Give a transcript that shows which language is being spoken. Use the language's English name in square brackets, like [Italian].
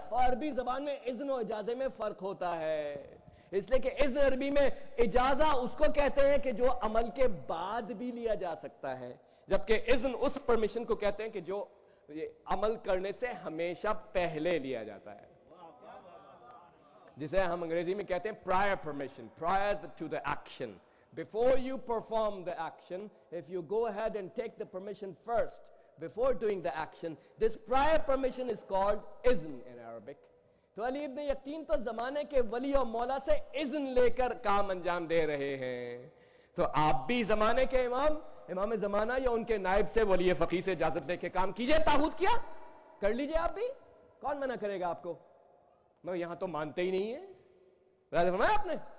[Urdu] اور عربی زبان میں اذن و اجازے میں فرق ہوتا ہے, اس لیے کہ اذن عربی میں اجازہ اس کو کہتے ہیں کہ جو عمل کے بعد بھی لیا جا سکتا ہے, جبکہ اذن اس پرمیشن کو کہتے ہیں کہ جو عمل کرنے سے ہمیشہ پہلے لیا جاتا ہے, جسے ہم انگریزی میں کہتے ہیں [English] prior permission, prior to the action. Before you perform the action, if you go ahead and take the permission first, before doing the action, this prior permission is called izn in Arabic. [Urdu] تو علی ابن یقین تو زمانے کے ولی اور مولا سے اذن لے کر کام انجام دے رہے ہیں. تو آپ بھی زمانے کے امام, امام زمانہ یا ان کے نائب سے, ولی فقیہ سے اجازت لے کے کام کیجئے. تاغوت کیا کر لیجئے آپ بھی, کون منع کرے گا آپ کو؟ یہاں تو مانتے ہی نہیں ہے آپ نے.